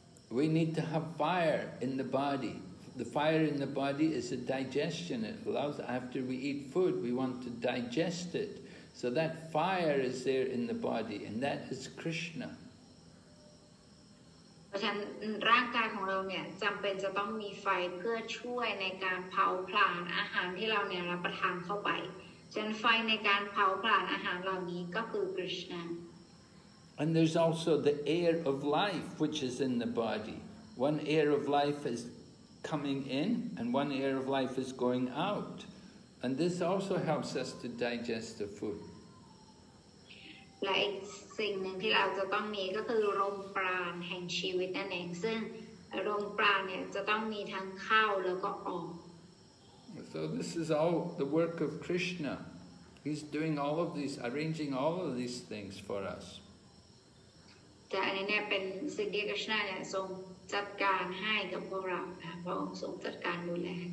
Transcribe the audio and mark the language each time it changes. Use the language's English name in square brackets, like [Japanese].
[English] We need to have fire in the body. The fire in the body is a digestion. It allows, after we eat food, we want to digest it. So that fire is there in the body, and that is Krishna. [Thai] ราะฉะนั้นร่างกายของเราเนี่ยจำเป็นจะต้องมีไฟเพื่อช่วยในการเผาผลาญอาหารที่เราเนี่ยรับประทานเข้าไปฉะนั้นไฟในการเผาผลาญอาหารเหล่านี้ก็คือคริชนา [English] And there's also the air of life which is in the body. One air of life is coming in and one air of life is going out. And this also helps us to digest the food. [Thai] และอีกสิ่งหนึ่งที่เราจะต้องมีก็คือลมปราณแห่งชีวิตนั่นเองซึ่งลมปราณเนี่ยจะต้องมีทั้งเข้าแล้วก็ออก [English] So this is all the work of Krishna. He's doing all of these, arranging all of these things for us. [Thai] แต่อันนี้เนี่ยเป็นสิ่งที่ Krishna เนี่ยทรงจัดการให้กับพวกเราพระองค์ทรงจัดการดูแล